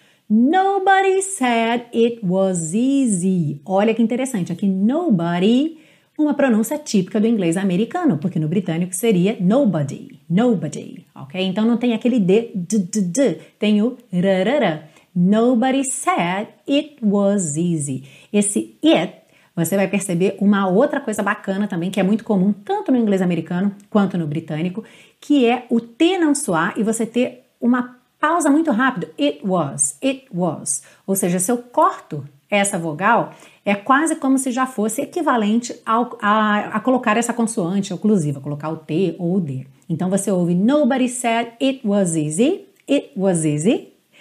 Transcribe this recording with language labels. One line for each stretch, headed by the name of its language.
English: Nobody said it was easy.
Portuguese: Olha que interessante, aqui
English: nobody,
Portuguese: uma pronúncia típica do inglês americano, porque no britânico seria nobody, nobody, ok? Então não tem aquele d, tem o rarara.
English: Nobody said it was easy.
Portuguese: Esse it, você vai perceber uma outra coisa bacana também, que é muito comum tanto no inglês americano quanto no britânico, que é o T não soar e você ter uma pausa muito rápido.
English: It was,
Portuguese: ou seja, se eu corto essa vogal, é quase como se já fosse equivalente a colocar essa consoante oclusiva, colocar o T ou o D. Então você ouve,
English: nobody said it was easy, it was easy.